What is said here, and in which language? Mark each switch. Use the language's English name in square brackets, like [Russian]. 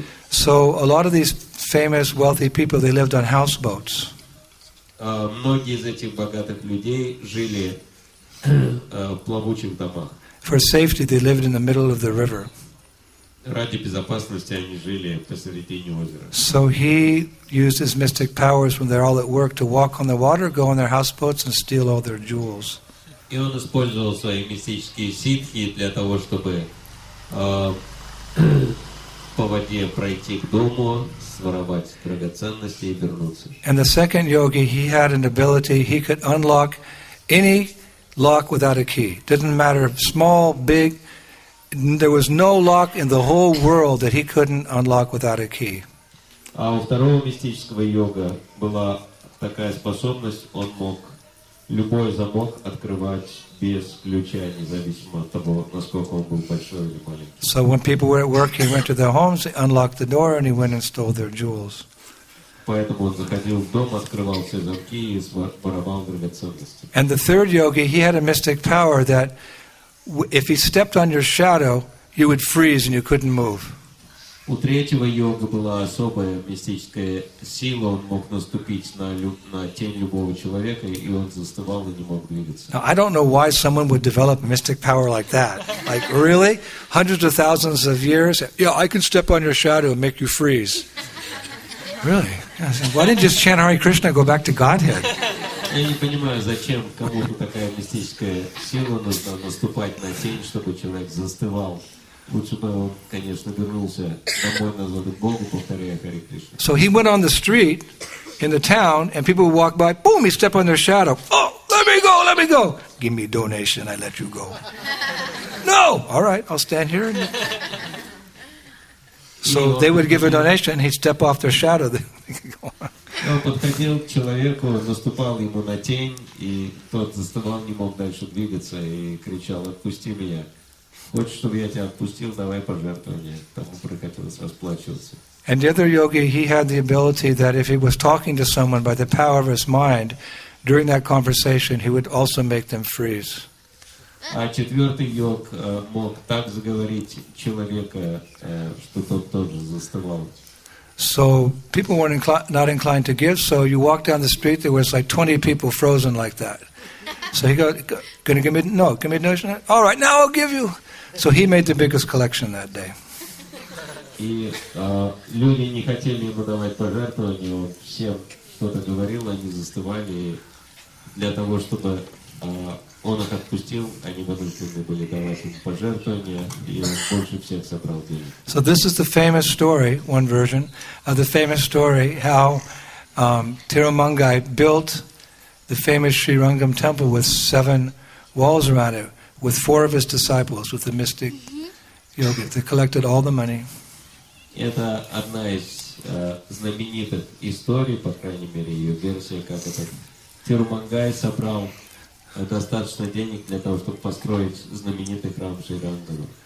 [English] So a lot of these famous wealthy people, they lived on houseboats. [Russian] Многие из этих богатых людей жили в плавучих домах. [English] For safety, they lived in the middle of the river. [Russian] ради безопасности они жили посредине озера. [English] So he used his mystic powers when they're all at work to walk on the water, go on their houseboats and steal all their jewels. [Russian] И он использовал свои мистические ситхи для того, чтобы по воде пройти к дому, своровать драгоценности и вернуться. [English] And the second yogi, he had an ability, he could unlock any lock without a key. Didn't matter if small, big, there was no lock in the whole world that he couldn't unlock without a key. [Russian] А у второго мистического йога была такая способность, он мог любой замок открывать без ключа, независимо от того, насколько он был большой или маленький. [English] So when people were at work, he went to their homes, he unlocked the door, and he went and stole their jewels. [Russian] Поэтому он заходил в дом, открывал все замки и воровал драгоценности. [English] And the third yogi, he had a mystic power that if he stepped on your shadow, you would freeze and you couldn't move. [Russian] У третьего йога была особая мистическая сила. Он мог наступить на тень любого человека, и он застывал и не мог двигаться. [English] Now, I don't know why someone would develop a mystic power like that. Like, really? Hundreds of thousands of years? Yeah, I can step on your shadow and make you freeze. Really? I said, why didn't just chant Hare Krishna go back to Godhead? [Russian] Я не понимаю, зачем кому-то такая мистическая сила нужна наступать на тень, чтобы человек застывал. Лучше бы он, конечно, вернулся домой назад к Богу, повторяя Харе Кришну. [English] So he went on the street in the town, and people would walk by, boom, he stepped on their shadow. Oh, let me go, let me go. Give me a donation, I let you go. No! All right, I'll stand here. And... So they would give a donation, and he'd step off their shadow. [Russian] Он подходил к человеку, наступал ему на тень, и тот заставал, не мог дальше двигаться, и кричал, отпусти меня. Хочешь, чтобы я тебя отпустил, давай пожертвование. Тому, про которого расплачивался. [English] And the other yogi, he had the ability that if he was talking to someone by the power of his mind, during that conversation, he would also make them freeze. [Russian] А четвертый йог мог так заговорить человека, что тот тоже заставал. [English] So people were not inclined to give, so you walk down the street, there was like 20 people frozen like that. So he goes, gonna give me, no, give me a notion? All right, now I'll give you. So he made the biggest collection that day. [Russian] И люди не хотели ему давать пожертвования, он всем что-то говорил, они застывали. Для того, чтобы он их отпустил, они вынуждены были давать им пожертвования, и он больше всех собрал денег. [English] So this is the famous story, one version, of the famous story how Tirumangai built the famous Sri Rangam temple with seven walls around it, with four of his disciples, with the mystic yogi. They collected all the money. [Russian] Это одна из знаменитых историй, по крайней мере, ее версия, как это. Тирумангай собрал достаточно денег для того, чтобы построить знаменитый храм Шри Рангам.